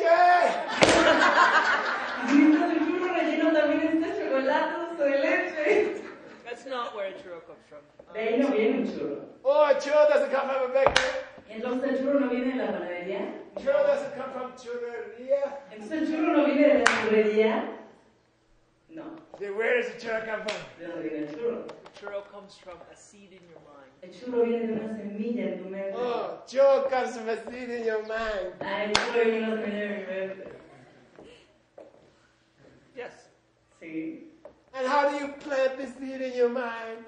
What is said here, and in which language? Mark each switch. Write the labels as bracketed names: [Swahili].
[Spanish] Si el churro relleno también está chocolate o dulce de leche. [English] That's not where a churro comes from. [Spanish] De ahí no viene un churro. [English] Oh, a churro doesn't come from a bakery. [Spanish] Entonces el churro no viene de la panadería. [English] Churro doesn't come from churrería. [Spanish] Entonces el churro no viene de la churrería. No. [English] Then where does the churro come from? The churro comes from a seed in your mind. [Spanish] El churro viene de una semilla en tu mente. [English] Oh, churro comes from a seed in your mind. [Spanish] Ay, el churro viene de una semilla en mi mente. [English] Yes. [Spanish] Sí. [English] And how do you plant the seed in your mind?